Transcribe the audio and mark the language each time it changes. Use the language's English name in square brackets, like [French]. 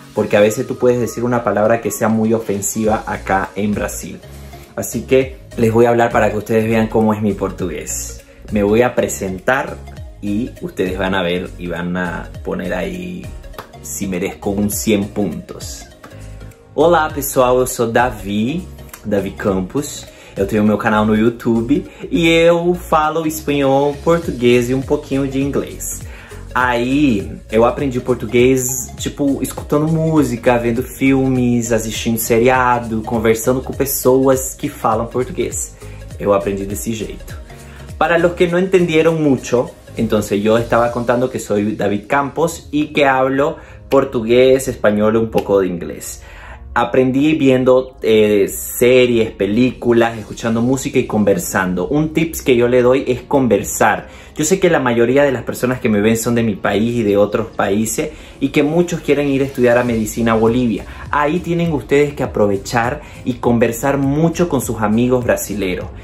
[Spanish] Porque a veces tú puedes decir una palabra que sea muy ofensiva acá en Brasil. Así que les voy a hablar para que ustedes vean cómo es mi portugués. Me voy a presentar y ustedes van a ver y van a poner ahí si merezco un 100 puntos. [Portuguese] Hola, pessoal, eu sou David Campos. Eu tenho meu canal no YouTube e eu falo espanhol, português e um pouquinho de inglês. Aí, eu aprendi português, tipo, escutando música, vendo filmes, assistindo seriado, conversando com pessoas que falam português. Eu aprendi desse jeito. [Spanish] Para los [Portuguese] que não [Spanish] entendieron mucho, [Portuguese] então, eu estava contando que sou David Campos e que [Spanish] hablo [Portuguese] português, espanhol e um pouco de inglês. [Spanish] Aprendí viendo series, películas, escuchando música y conversando. Un tips que yo le doy es conversar. Yo sé que la mayoría de las personas que me ven son de mi país y de otros países y que muchos quieren ir a estudiar a medicina a Bolivia. Ahí tienen ustedes que aprovechar y conversar mucho con sus amigos brasileros.